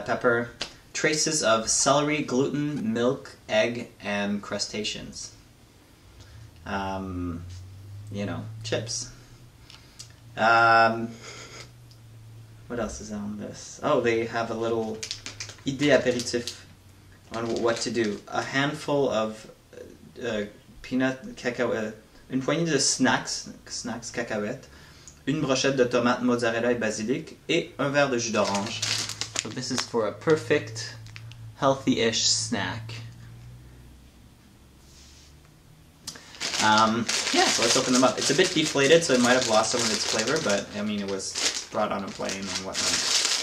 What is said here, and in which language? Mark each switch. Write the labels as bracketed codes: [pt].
[en] Pepper, traces of celery, gluten, milk, egg, and crustaceans. You know, chips. What else is on this? Oh, they have a little [fr] idée apéritif [en] on what to do. A handful of peanut cacao, [fr] une poignée de snacks cacahuète. Une brochette de tomates mozzarella et basilic et un verre de jus d'orange. [en] So this is for a perfect healthy-ish snack. Yeah, so let's open them up. It's a bit deflated, so it might have lost some of its flavor, but I mean it was brought on a plane and whatnot.